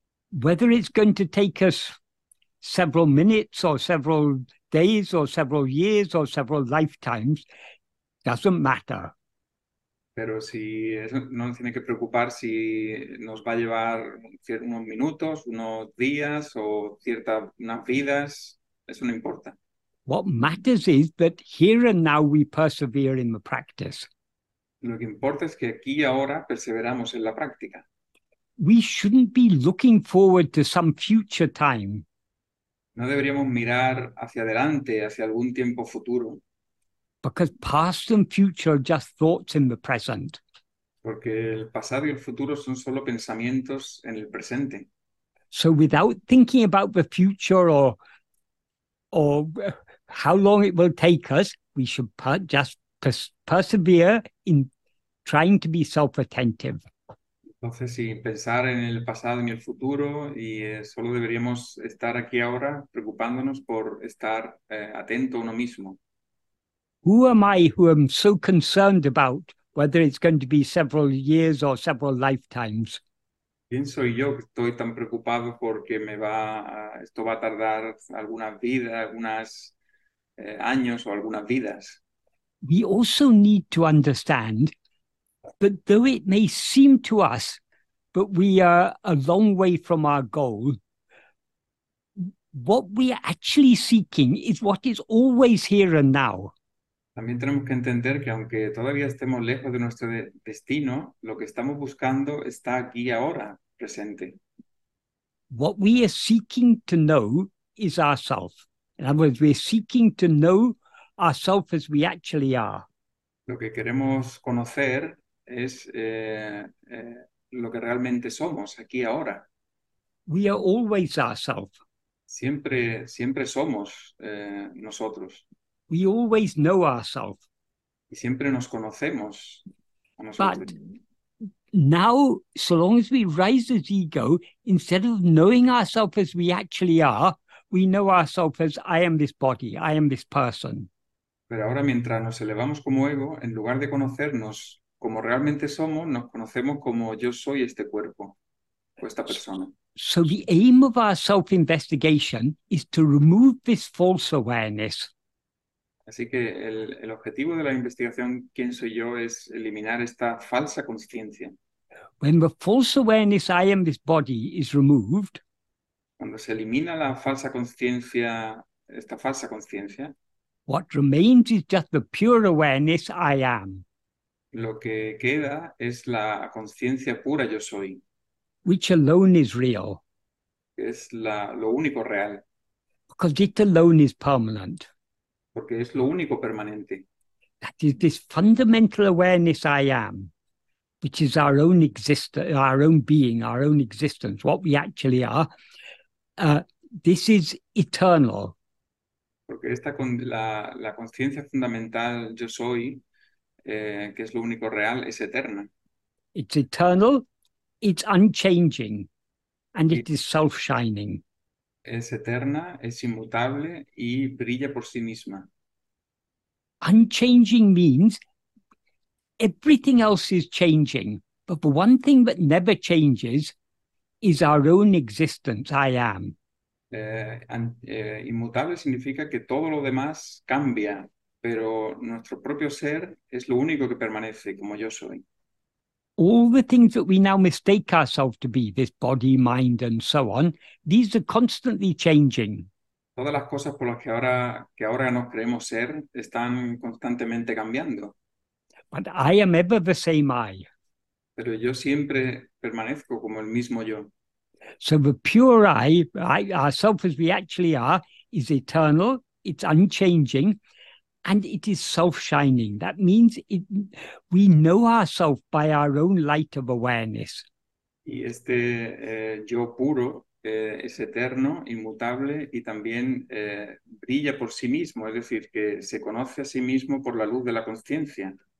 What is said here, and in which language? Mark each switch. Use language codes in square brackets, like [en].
[en] Whether it's going to take us several minutes or several days or several years or several lifetimes doesn't matter. [es] Pero si eso no nos tiene que preocupar si nos va a llevar unos minutos, unos días o unas vidas, eso no importa. [en] What matters is that here and now we persevere in the practice. [es] Lo que importa es que aquí y ahora perseveramos en la práctica. [en] We shouldn't be looking forward to some future time. [es] No deberíamos mirar hacia adelante, hacia algún tiempo futuro. [en] Because past and future are just thoughts in the present. [es] Porque el pasado y el futuro son solo pensamientos en el presente. [en] So without thinking about the future or how long it will take us, we should per just pers persevere in trying to be self-attentive. [es] Entonces, sin pensar en el pasado ni el futuro, y solo deberíamos estar aquí ahora preocupándonos por estar atento a uno mismo. [en] Who am I who am so concerned about whether it's going to be several years or several lifetimes? [es] ¿Quién soy yo que estoy tan preocupado porque esto va a tardar algunas vidas, algunos años o algunas vidas? [en] We also need to understand that though it may seem to us that we are a long way from our goal, what we are actually seeking is what is always here and now. [es] También tenemos que entender que aunque todavía estemos lejos de nuestro de destino, lo que estamos buscando está aquí ahora. Presente. [en] What we are seeking to know is ourself. In other words, we're seeking to know ourself as we actually are. [es] Lo que queremos conocer es lo que realmente somos aquí ahora. [en] We are always ourself. [es] Siempre, siempre somos nosotros. [en] We always know ourself. [es] Y siempre nos conocemos a [en] But [es] nosotros. [en] now, so long as we rise as ego, instead of knowing ourselves as we actually are, we know ourselves as I am this body, I am this person. [es] Pero ahora mientras nos elevamos como ego, en lugar de conocernos como realmente somos, nos conocemos como yo soy este cuerpo o esta persona. [en] So the aim of our self-investigation is to remove this false awareness. [es] Así que el objetivo de la investigación, ¿quién soy yo?, es eliminar esta falsa conciencia. [en] When the false awareness, I am this body, is removed, [es] Cuando se elimina la falsa conciencia, esta falsa conciencia, [en] what remains is just the pure awareness, I am, [es] lo que queda es la conciencia pura yo soy, [en] which alone is real, [es] que es lo único real, [en] because it alone is permanent. [es] porque es lo único permanente. [en] That is this fundamental awareness, I am. Which is our own existence, our own being, our own existence, what we actually are. This is eternal. [es] Porque esta con la conciencia fundamental yo soy. Que es lo único real, es eterna. [en] It's eternal, it's unchanging, and it is self-shining. [es] Es eterna, es inmutable y brilla por sí misma. [en] Unchanging means. Everything else is changing, but the one thing that never changes is our own existence, I am. [es] Inmutable significa que todo lo demás cambia. Pero nuestro propio ser es lo único que permanece, como yo soy. [en] All the things that we now mistake ourselves to be, this body, mind, and so on, these are constantly changing. [es] Todas las cosas por las que ahora nos creemos ser están constantemente cambiando. [en] But I am ever the same I. [es] Pero yo siempre permanezco como el mismo yo. [en] So the pure I, ourself as we actually are, is eternal, it's unchanging, and it is self-shining. That means we know ourselves by our own light of awareness. [es] Y este yo puro es eterno, inmutable y también brilla por sí mismo, es decir, que se conoce a sí mismo por la luz de la conciencia.